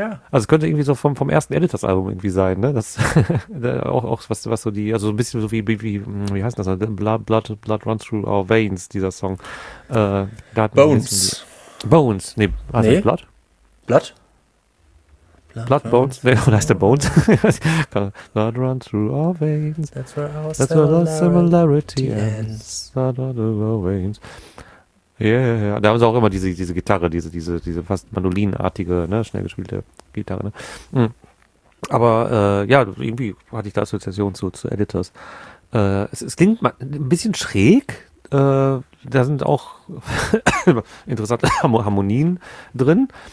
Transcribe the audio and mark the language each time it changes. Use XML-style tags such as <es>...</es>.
<de>Also könnte irgendwie so vom ersten Editors-Album irgendwie sein, ne? Das auch was so die, also ein bisschen so wie heißt das?</de> <en>Blood Runs Through Our Veins,</en> <de>dieser Song.</de> <en>Bones. Bones, Blood? Blood Bones?</en> <de>Nee, oder heißt der Bones?</de> <en>Blood run through our veins. That's where our similarity ends. Blood run through our veins. Yeah.</en> <de>Da haben sie auch immer diese Gitarre, diese fast mandolinartige, ne, schnell gespielte Gitarre. Ne? Aber irgendwie hatte ich da Assoziation zu Editors. Es klingt mal ein bisschen schräg. Da sind auch interessante Harmonien drin.</de>